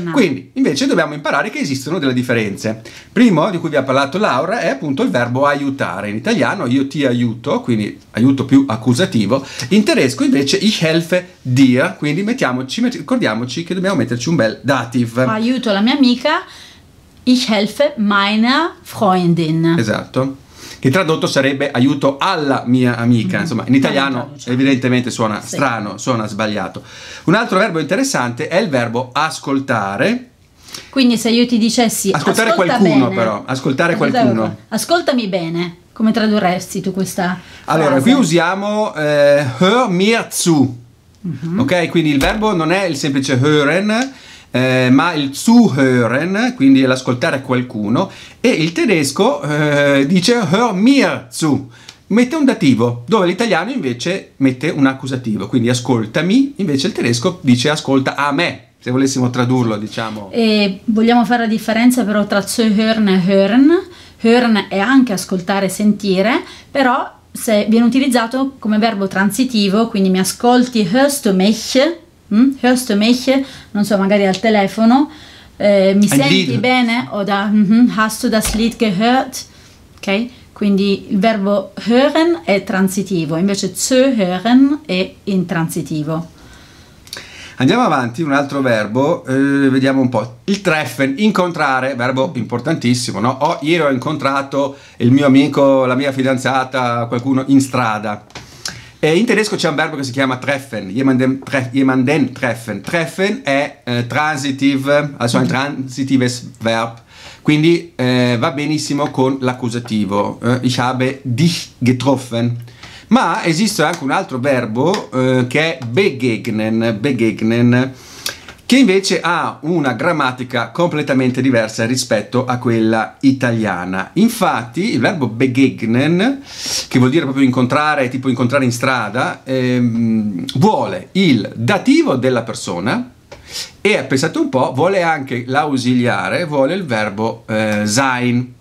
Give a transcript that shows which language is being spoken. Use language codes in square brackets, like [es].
[it] Quindi invece dobbiamo imparare che esistono delle differenze. Primo, di cui vi ha parlato Laura, è appunto il verbo aiutare. In italiano io ti aiuto, quindi aiuto più accusativo. In tedesco invece [de] ich helfe dir, [it] quindi ricordiamoci che dobbiamo metterci un bel dative. Aiuto la mia amica. [de] Ich helfe meiner Freundin. [it] Esatto. Che tradotto sarebbe aiuto alla mia amica. Insomma, in italiano evidentemente suona strano, suona sbagliato. Un altro verbo interessante è il verbo ascoltare. Quindi se io ti dicessi ascoltare qualcuno bene, però, ascoltare qualcuno. Ascoltami bene. Come tradurresti tu questa frase? Allora, qui usiamo [de] hör mir zu. [it] Ok, quindi il verbo non è il semplice hören, ma il zuhören, quindi l'ascoltare qualcuno, e il tedesco dice [de] hör mir zu, [it] mette un dativo, dove l'italiano invece mette un accusativo, quindi ascoltami, invece il tedesco dice ascolta a me, se volessimo tradurlo, diciamo. E vogliamo fare la differenza però tra zuhören e hören. Hören è anche ascoltare, sentire, però se viene utilizzato come verbo transitivo, quindi mi ascolti, [de] hörst du mich? Hörst du mich? [it] Non so, magari al telefono, mi [de] ein [it] senti [de] Lied. [it] Bene? [de] O da hast du das Lied gehört? [it] Ok? Quindi il verbo hören è transitivo, invece zu hören è intransitivo. Andiamo avanti, un altro verbo, vediamo un po'. Il treffen, incontrare, verbo importantissimo, no? Ieri ho incontrato il mio amico, la mia fidanzata, qualcuno in strada. E in tedesco c'è un verbo che si chiama treffen, [de] jemanden treffen. [it] Treffen è transitive, [de] also ein transitives Verb, [it] quindi va benissimo con l'accusativo. [de] Ich habe dich getroffen. [it] Ma esiste anche un altro verbo che è begegnen, che invece ha una grammatica completamente diversa rispetto a quella italiana. Infatti il verbo begegnen, che vuol dire proprio incontrare, tipo incontrare in strada, vuole il dativo della persona e, pensate un po', vuole anche l'ausiliare, vuole il verbo sein.